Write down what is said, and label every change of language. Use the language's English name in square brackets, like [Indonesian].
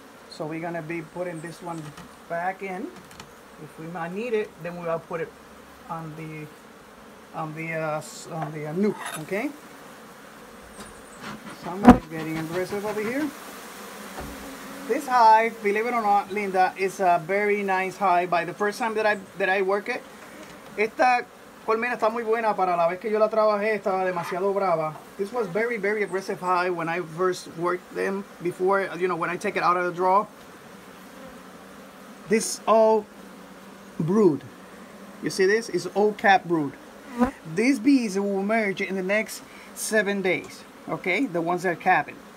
[English] So we're going to be putting this one back in. If we might need it, then we will put it on the nuke, okay? Somebody's getting aggressive over here. This hive, believe it or not, Linda, is a very nice hive. By the first time that I work it, [Spanish] esta colmena está muy buena. Para la vez que yo la trabajé, estaba demasiado brava. [English] This was very, very aggressive hive when I first worked them before, you know, when I take it out of the draw. This all brood. You see this? It's all cap brood. These bees will emerge in the next 7 days, okay? The ones that are capping.